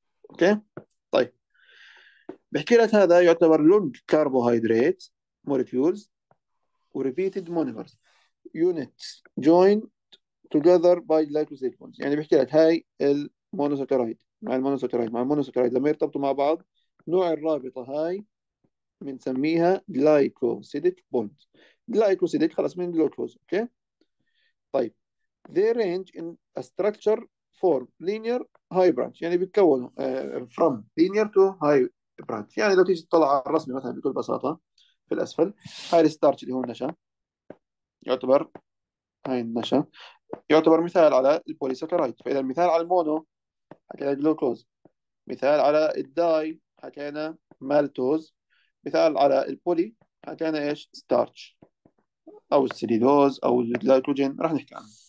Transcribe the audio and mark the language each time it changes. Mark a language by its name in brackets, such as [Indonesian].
[Arabic] اوكي طيب بحكي لك هذا يعتبر [English] Long carbohydrate molecules وريبيتد monomers unit join together by glycoside bonds. [Arabic] يعني بحكي لك هاي المونوساكرايد مع المونوساكرايد مع المونوساكرايد لما يرتبطوا مع بعض نوع الرابطه هاي بنسميها جلايكوسيديك بوند. جلايكوسيديك خلاص من جلوكوز. اوكي طيب [English] they range in a structure form linear high branch. [Arabic] يعني بيتكونوا [English] from linear to high branch. [Arabic] يعني لو تيجي تطلع على الرسمه مثلا بكل بساطه في الاسفل هاي الستارتش اللي هو النشا، يعتبر هاي النشا يعتبر مثال على البوليسكرايد. فإذا مثال على المونو حكينا جلوكوز، مثال على الداي حكينا مالتوز، مثال على البولي حكينا إيش؟ ستارتش أو السليلوز أو الجلايكوجين، راح نحكي عنه.